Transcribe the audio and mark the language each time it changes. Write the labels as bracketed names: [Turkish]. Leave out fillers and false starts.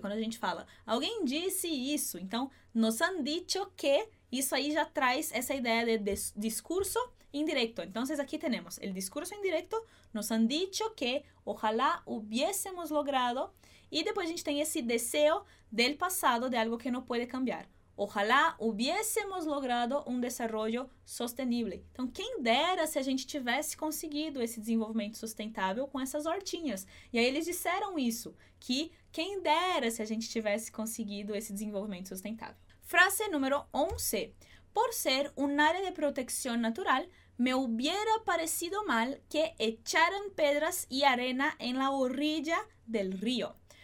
[Portuguese] Quando a gente fala, alguém disse isso, então, [Spanish] nos han dicho que, [Portuguese] isso aí já traz essa ideia de discurso indirecto. Então, aqui temos o discurso indirecto, [Spanish] nos han dicho que, ojalá hubiésemos logrado, [Portuguese] e depois a gente tem esse desejo del passado, de algo que não pode cambiar. [Spanish] Ojalá hubiésemos logrado desarrollo sostenible. [Portuguese] Então, quem dera se a gente tivesse conseguido esse desenvolvimento sustentável com essas hortinhas. E aí eles disseram isso, que quem dera se a gente tivesse conseguido esse desenvolvimento sustentável. Frase número 11. [Spanish] Por ser un área de protección natural, me hubiera parecido mal que echaran piedras y arena en la orilla del río.